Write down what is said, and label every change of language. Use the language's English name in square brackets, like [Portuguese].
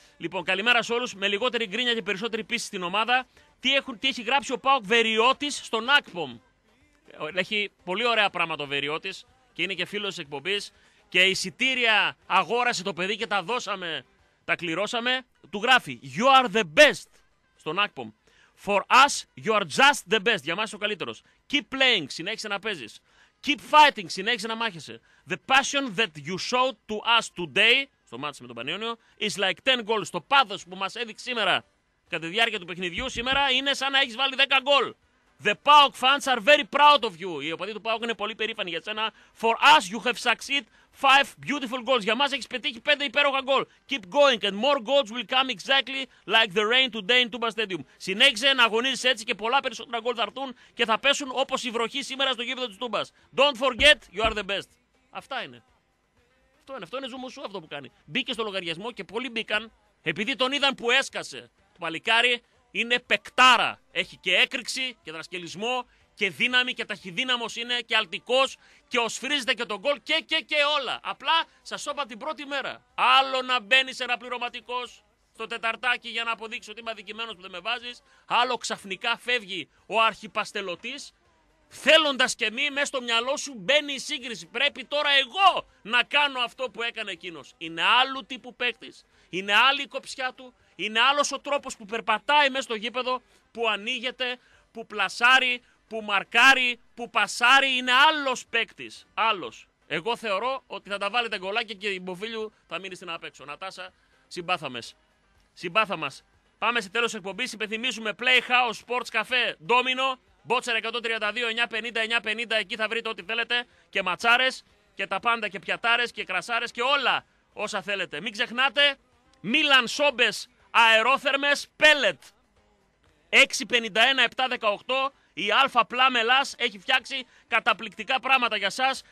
[Greek] Λοιπόν, καλημέρα σε όλους. Με λιγότερη γκρίνια και περισσότερη πίστη στην ομάδα. Τι έχει γράψει ο ΠΑΟΚ Βεριώτης στον ΑΚΠΟΜ. Έχει πολύ ωραία πράγματα ο Βεριώτης και είναι και φίλος της εκπομπής. Και εισιτήρια αγόρασε το παιδί και τα δώσαμε, τα κληρώσαμε. Του γράφει [English] You are the best [Greek] στον ΑΚΠΟΜ. [English] For us, you are just the best. [Greek] Για μας ο καλύτερος. [English] Keep playing, [Greek] συνέχισε να παίζεις. [English] Keep fighting, [Greek] συνέχισε να μάχεσαι. [English] The passion that you showed to us today, [Greek] στο μάτς με τον Πανιόνιο, [English] is like 10 goals. [Greek] Το πάθος που μας έδειξε σήμερα, κατά τη διάρκεια του παιχνιδιού, σήμερα είναι σαν να έχεις βάλει 10 goal. [English] The PAOK fans are very proud of you. [Greek] Οι οπαδοί του PAOK είναι πολύ περήφανοι για σένα. [English] For us, you have succeeded 5 beautiful goals. [Greek] Για μας έχεις πετύχει 5 υπέροχα goal. [English] Keep going and more goals will come exactly like the rain today in Tumba Stadium. [Greek] Συνέχιζε να αγωνίζεις έτσι και πολλά περισσότερα goals θα έρθουν και θα πέσουν όπως η βροχή σήμερα στο γήπεδο της Τούμπας. [English] Don't forget, you are the best. [Greek] Αυτά είναι. Αυτό είναι. Αυτό είναι Ζουμουσού αυτό που κάνει. Μπήκε στο λογαριασμό και πολλοί μπήκαν επειδή τον είδαν που έσκασε. Το παλικάρι είναι παικτάρα. Έχει και έκρηξη και δρασκελισμό και δύναμη και ταχυδύναμος είναι και αλτικός και οσφρίζεται και τον γκολ και όλα. Απλά σας το είπα την πρώτη μέρα. Άλλο να μπαίνεις ένα πληρωματικός στο τεταρτάκι για να αποδείξεις ότι είμαι αδικημένος που δεν με βάζεις. Άλλο ξαφνικά φεύγει ο αρχιπαστελωτής. Θέλοντας και μη, μέσα στο μυαλό σου μπαίνει η σύγκριση. Πρέπει τώρα εγώ να κάνω αυτό που έκανε εκείνος. Είναι άλλου τύπου παίκτης. Είναι άλλη η κοψιά του. Είναι άλλος ο τρόπος που περπατάει μέσα στο γήπεδο, που ανοίγεται, που πλασάρει, που μαρκάρει, που πασάρει. Είναι άλλος παίκτης. Άλλος. Εγώ θεωρώ ότι θα τα βάλετε γκολάκια και η Μποφίλιου θα μείνει στην απέξω. Νατάσα, συμπάθαμες. Συμπάθαμας. Πάμε σε τέλος εκπομπής. Υπενθυμίζουμε Playhouse Sports Cafe Domino. Μπότσερ 132-950-950. Εκεί θα βρείτε ό,τι θέλετε. Και ματσάρες και τα πάντα και πιατάρες και κρασάρες και όλα όσα θέλετε. Μην ξεχνάτε, Μίλαν Σόμπες αερόθερμες πέλετ. 651-718. Η Αλφα Πλάμελας έχει φτιάξει καταπληκτικά πράγματα για σας.